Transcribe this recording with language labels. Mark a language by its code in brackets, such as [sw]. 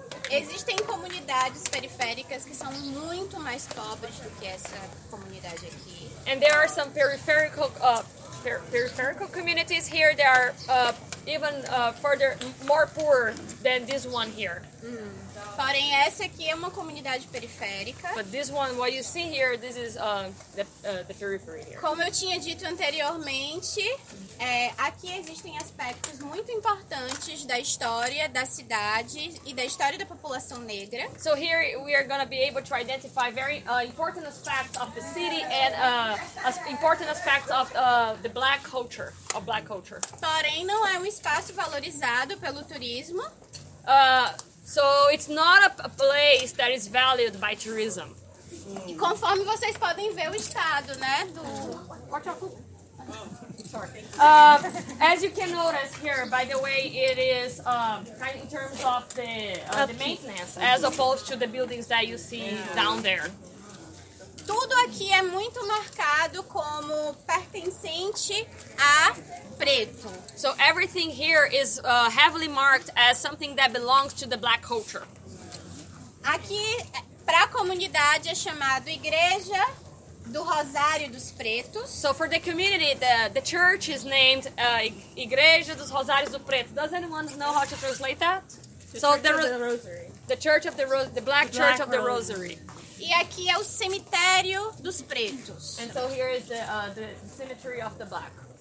[pt] Existem comunidades periféricas que são muito mais pobres do que essa comunidade aqui. [en] And there are some peripheral communities here that are even further, more poor than this one here. [pt] Porém, essa aqui é uma comunidade periférica. [en] But this one, what you see here, this is the periphery here. [pt] Como eu tinha dito anteriormente, aqui existem aspectos muito importantes da história da cidade e da história da população negra. [en] So here we are going to be able to identify very important aspects of the city and important aspects of the black culture, of black culture. [pt] Porém, não é um espaço valorizado pelo turismo. [en] So it's not a place that is valued by tourism. [pt] E conforme vocês podem ver o estado, né, do... [en] As you can notice here, by the way, it is kind of in terms of the maintenance, as opposed to the buildings that you see down there. [pt] Tudo aqui é muito marcado como pertencente a preto. [en] So everything here is heavily marked as something that belongs to the black culture. [pt] Aqui, para a comunidade, é chamado Igreja do Rosário dos Pretos. [en] So for the community, the church is named Igreja dos Rosários do Preto. Does anyone know how to translate that? The Black Church of the Rosary. [pt] E aqui é o cemitério dos pretos. [en] And so here is the cemetery of the black.